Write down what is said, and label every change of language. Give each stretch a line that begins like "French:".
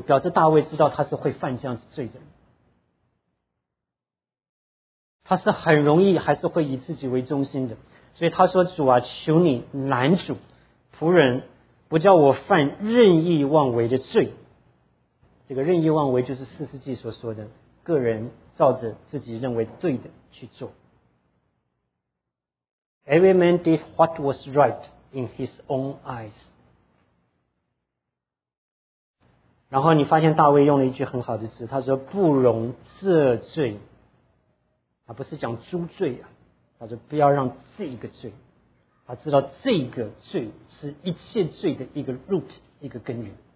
Chinese: 表示大卫知道他是会犯这样子罪的，他是很容易还是会以自己为中心的，所以他说：“主啊，求你拦阻仆人。” 不叫我犯任意妄为的罪，这个任意妄为就是四世纪所说的个人照着自己认为对的去做。
English: Every man did what was right in his own eyes。
Chinese: 然后你发现大卫用了一句很好的字，他说不容这罪而不是讲诸罪啊，他说不要让这个罪，他知道这个罪是一切罪的一个 root， 一个根源。